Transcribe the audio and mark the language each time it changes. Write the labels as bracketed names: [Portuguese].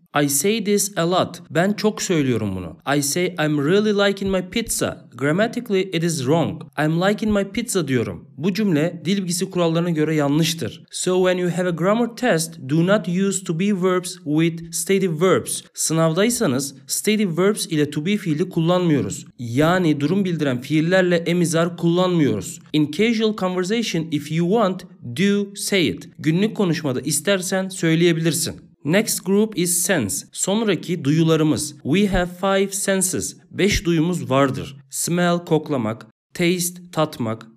[English] I say this a lot. [Turkish] Ben çok söylüyorum bunu. [English] I say I'm really liking my pizza. Grammatically it is wrong. I'm liking my pizza [Turkish] diyorum. Bu cümle dil bilgisi kurallarına göre yanlıştır. [English] So when you have a grammar test, do not use to be verbs with stative verbs. [Turkish] Sınavdaysanız stative verbs ile to be fiili kullanmıyoruz. Yani durum bildiren fiillerle emizar kullanmıyoruz. [English] In casual conversation, if you want, do say it. [Turkish] Günlük konuşmada istersen söyleyebilirsin. [English] Next group is sense. [Turkish] Sonraki duyularımız. [English] We have five senses. [Turkish] Beş duyumuz vardır. Smell, koklamak. Taste, tatmak.